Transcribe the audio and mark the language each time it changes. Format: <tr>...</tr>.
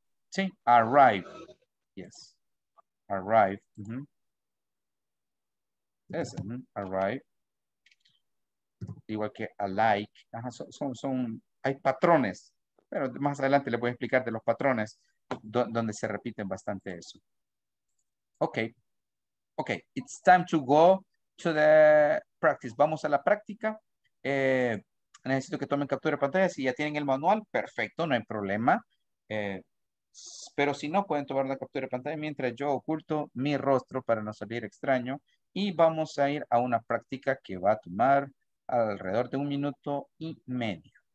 <en>Sí, arrive. Yes. Arrive. Mm-hmm. Yes, mm-hmm. Arrive.</en> <es>Igual que</es> <en>alike.</en> <es>Ajá, son hay patrones. Pero más adelante les voy a explicar de los patrones donde se repiten bastante eso.</es> <en>Okay. Okay, it's time to go to the practice.</en> <es>Vamos a la práctica. Necesito que tomen captura de pantalla. Si ya tienen el manual, perfecto, no hay problema. Pero si no, pueden tomar la captura de pantalla mientras yo oculto mi rostro para no salir extraño. Y vamos a ir a una práctica que va a tomar alrededor de un minuto y medio.</es>